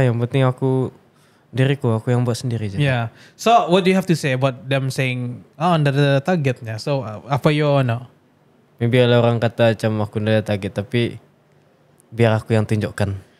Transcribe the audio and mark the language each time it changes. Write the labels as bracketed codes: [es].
[ms] Yang penting aku diriku, aku yang buat sendiri je. Yeah. [en] So what do you have to say about them saying under the targetnya? [ms] So apa you wanna? Maybe kalau orang kata macam aku [en] under the target, [ms] tapi biar aku yang tunjukkan.